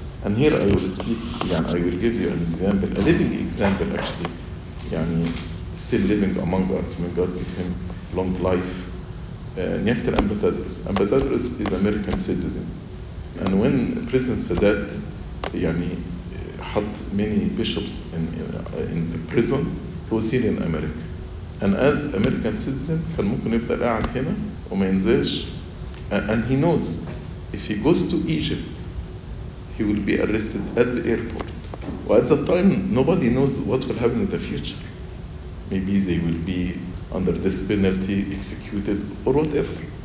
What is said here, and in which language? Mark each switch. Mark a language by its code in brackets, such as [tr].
[en] And here I will speak, I will give you an example, a living example actually, still living among us, may God give him long life. Nefter Ambatadris. Ambatadris is American citizen. And when President Sadat had many bishops in the prison, he was here in America. And as American citizen, [ar] كان ممكن يفضل قاعد هنا وما ينزلش. [en] And he knows if he goes to Egypt, he will be arrested at the airport. Well, at that time, nobody knows what will happen in the future. Maybe they will be under death penalty, executed, or whatever.